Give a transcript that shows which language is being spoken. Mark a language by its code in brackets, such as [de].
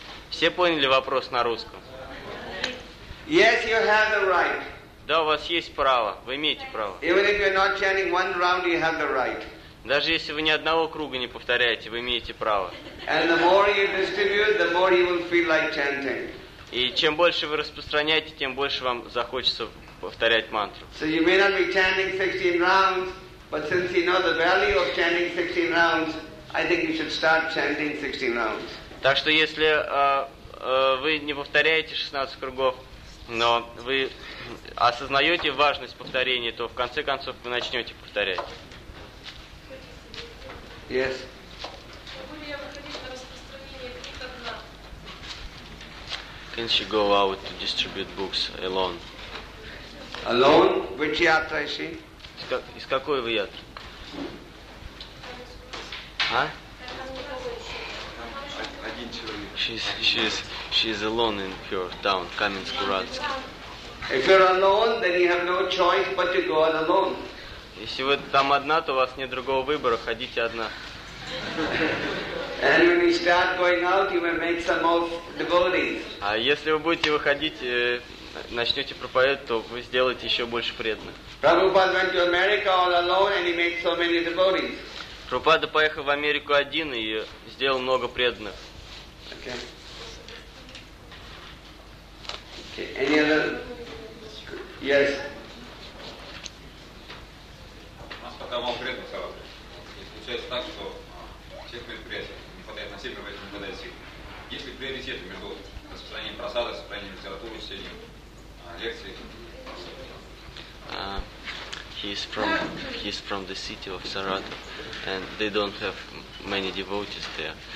[ru] Все поняли вопрос на русском? [en] Yes, you have the right. [ru] Да, у вас есть право. Вы имеете право. [en] Even if you're not chanting one round, you have the right. [ru] Даже если вы ни одного круга не повторяете, вы имеете право. [en] And the more you distribute, the more you will feel like chanting. [ru] И чем больше вы распространяете, тем больше вам захочется повторять мантру. [en] So you may not be chanting 16 rounds, but since you know the value of chanting 16 rounds, I think you should start chanting 16 rounds. [ru] Так что если вы не повторяете 16 кругов, но вы осознаете важность повторения, то в конце концов вы начнете повторять. [en] Yes. [ru] Могу ли я выходить на распространение книг одна? [en] Can she go out to distribute books alone? Alone? Which yatra is she? [ru] Из какой вы ятры? А? [en] She's alone in her town, Kamensk Uralsk. If you're alone, then you have no choice but to go out alone. [ru] Если вы там одна, то у вас нет другого выбора, ходите одна. [en] And when you start going out, you may make some old devotees. [ru] А если вы будете выходить, начнете проповедовать, то вы сделаете еще больше преданных. [en] Prabhupada went to America all alone, and he made so many devotees. [ru] Прабхупада поехал в Америку один и сделал много преданных. [en] Okay. Any other? Yes. [ru] У нас пока мало предных сообществ. Получается так, что всех предприятий не хватает на себе, поэтому не хватает сил. Есть ли приоритеты между распространением просады, распространением литературы, чтением лекций? [en] He's from the city of Saratov, and they don't have many devotees there.